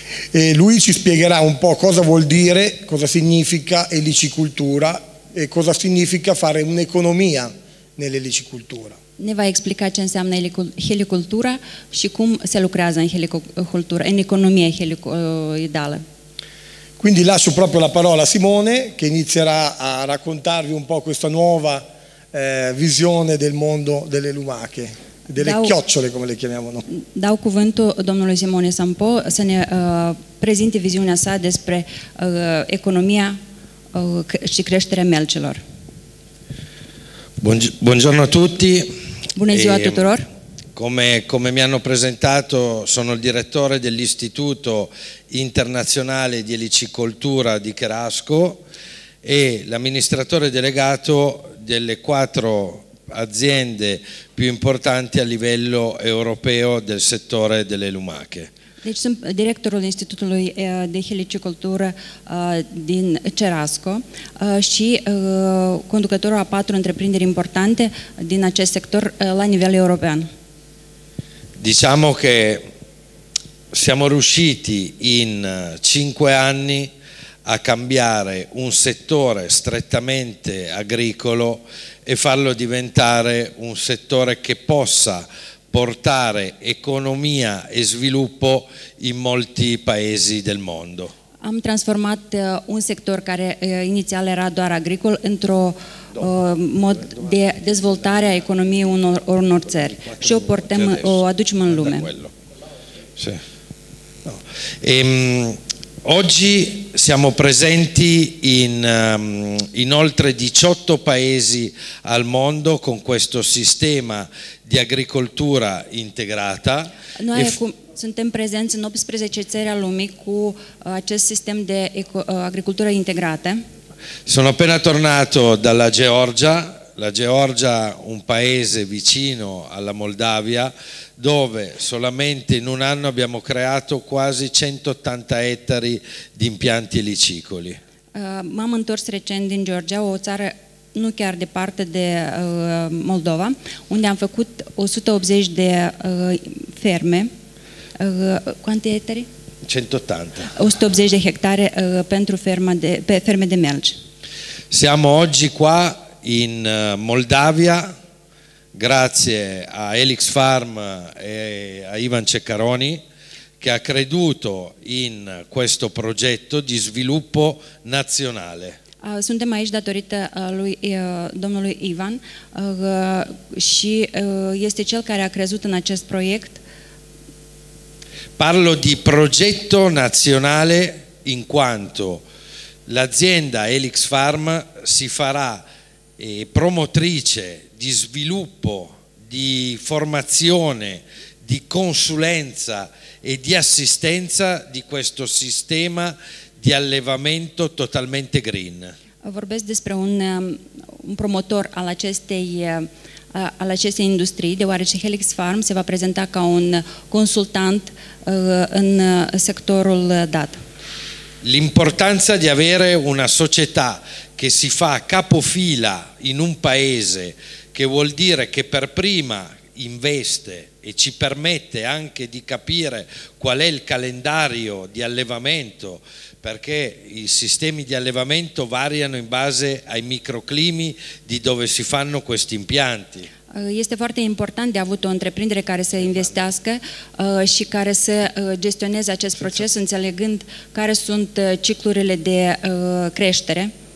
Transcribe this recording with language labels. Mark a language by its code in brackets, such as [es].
[it] E lui ci spiegherà un po' cosa vuol dire, cosa significa elicicoltura e cosa significa fare un'economia nell'elicicoltura. [ro] Ne va explica ce înseamnă helicultura și cum se lucrează în helicultura, în economia idală. [it] Quindi lascio proprio la parola a Simone, che inizierà a raccontarvi un po' questa nuova visione del mondo delle lumache, delle chiocciole, come le chiamiamo noi. [ro] Dau cuvântul domnului Simone Sampo să ne prezinte viziunea sa despre economia și creșterea melcilor. [it] Buongiorno a tutti. Buonasera a tutti. Come mi hanno presentato, sono il direttore dell'Istituto Internazionale di Elicicoltura di Cherasco e l'amministratore delegato delle quattro aziende più importanti a livello europeo del settore delle lumache. [ro] Deci sunt directorul Institutului de Helicicultură din Cherasco și conducătorul a patru întreprinderi importante din acest sector la nivel european. [it] Diciamo che siamo riusciti in 5 anni a cambiare un settore strettamente agricolo e farlo diventare un settore che possa portare economia e sviluppo in molti paesi del mondo. [ro] Am transformat un sector care inițial era doar agricol într-un mod de dezvoltare a economiei unor țări și o aducem în lume. [it] Sì. No. Oggi siamo presenti in oltre 18 paesi al mondo con questo sistema di agricoltura integrata. [ro] Noi suntem prezenți în 18 țări al lumii cu acest sistem de agricultură integrată. [it] Sono appena tornato dalla Georgia. La Georgia è un paese vicino alla Moldavia dove solamente in un anno abbiamo creato quasi 180 ettari di impianti elicicoli. [ro] M-am întors recent din Georgia, o țară nu chiar departe de Moldova, unde am făcut 180 de ferme. [it] Quanti ettari? 180. [ro] 180 de hectare pentru ferme de melci. [it] Siamo oggi qua in Moldavia, grazie a Helix Farm e a Ivan Ceccaroni, che ha creduto in questo progetto di sviluppo nazionale. [ro] Suntem aici datorită lui domnului Ivan și este cel care a crezut în acest proiect. [it] Parlo di progetto nazionale in quanto l'azienda Helix Farm si farà promotrice di sviluppo, di formazione, di consulenza e di assistenza di questo sistema di allevamento totalmente green. [ro] Vorbesc despre un promotor al acestei, al acestei industrii, deoarece Helix Farm se va prezenta ca un consultant în sectorul dat. [it] L'importanza di avere una società che si fa capofila in un paese, che vuol dire che per prima investe e ci permette anche di capire qual è il calendario di allevamento, perché i sistemi di allevamento variano in base ai microclimi di dove si fanno questi impianti. [ro] Este foarte important de avut o întreprindere care să investească și care să gestioneze acest proces, înțelegând care sunt ciclurile de creștere.